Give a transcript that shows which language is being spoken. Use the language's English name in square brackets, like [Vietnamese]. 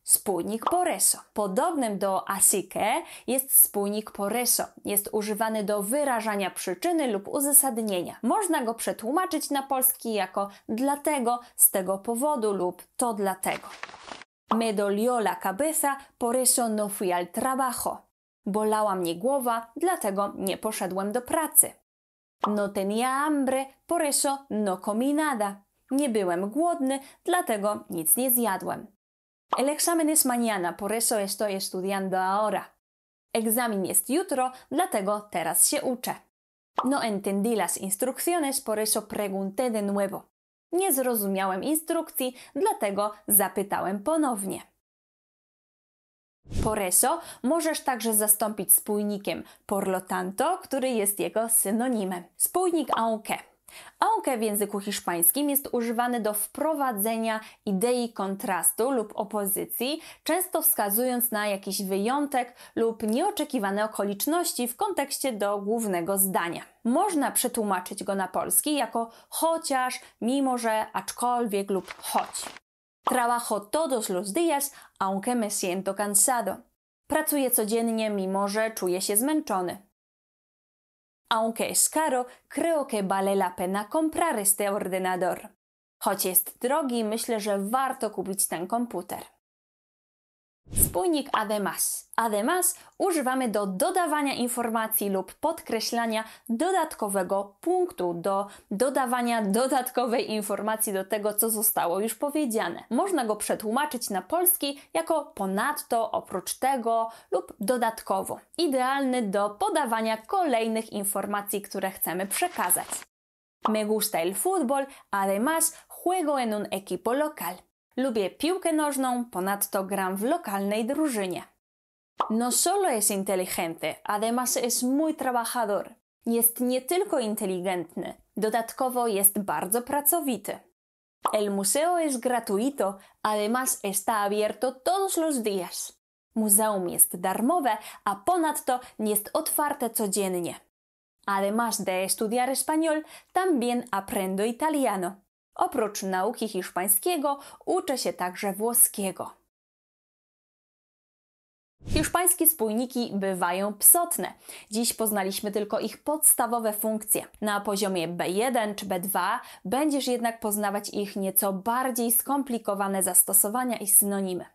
[Polish] Spójnik por eso. Podobnym do así que jest spójnik por eso. Jest używany do wyrażania przyczyny lub uzasadnienia. Można go przetłumaczyć na polski jako dlatego, z tego powodu lub to dlatego. [Spanish] Me dolió la cabeza, por eso no fui al trabajo. [Polish] Bolała mnie głowa, dlatego nie poszedłem do pracy. [Spanish] No tenía hambre, por eso no comí nada. [Polish] Nie byłem głodny, dlatego nic nie zjadłem. [Spanish] El examen es mañana, por eso estoy estudiando ahora. [Polish] Egzamin jest jutro, dlatego teraz się uczę. [Spanish] No entendí las instrucciones, por eso pregunté de nuevo. [Polish] Nie zrozumiałem instrukcji, dlatego zapytałem ponownie. Por eso możesz także zastąpić spójnikiem por lo tanto, który jest jego synonimem. Spójnik aunque. Aunque w języku hiszpańskim jest używany do wprowadzenia idei kontrastu lub opozycji, często wskazując na jakiś wyjątek lub nieoczekiwane okoliczności w kontekście do głównego zdania. Można przetłumaczyć go na polski jako chociaż, mimo że, aczkolwiek lub choć. [Spanish] Trabajo todos los días, aunque me siento cansado. [Polish] Pracuję codziennie, mimo że czuję się zmęczony. [Spanish] Aunque es caro, creo que vale la pena comprar este ordenador. [Polish] Choć jest drogi, myślę, że warto kupić ten komputer. Spójnik además. Además używamy do dodawania informacji lub podkreślania dodatkowego punktu, do dodawania dodatkowej informacji do tego, co zostało już powiedziane. Można go przetłumaczyć na polski jako ponadto, oprócz tego lub dodatkowo. Idealny do podawania kolejnych informacji, które chcemy przekazać. [Spanish] Me gusta el fútbol, además juego en un equipo local. [Polish] Lubię piłkę nożną, ponadto gram w lokalnej drużynie. [Spanish] No solo es inteligente, además es muy trabajador. [Polish] Jest nie tylko inteligentny, dodatkowo jest bardzo pracowity. [Spanish] El museo es gratuito, además está abierto todos los días. [Polish] Muzeum jest darmowe, a ponadto jest otwarte codziennie. [Spanish] Además de estudiar español, también aprendo italiano. [Polish] Oprócz nauki hiszpańskiego, uczę się także włoskiego. Hiszpańskie spójniki bywają psotne. Dziś poznaliśmy tylko ich podstawowe funkcje. Na poziomie B1 czy B2 będziesz jednak poznawać ich nieco bardziej skomplikowane zastosowania i synonimy.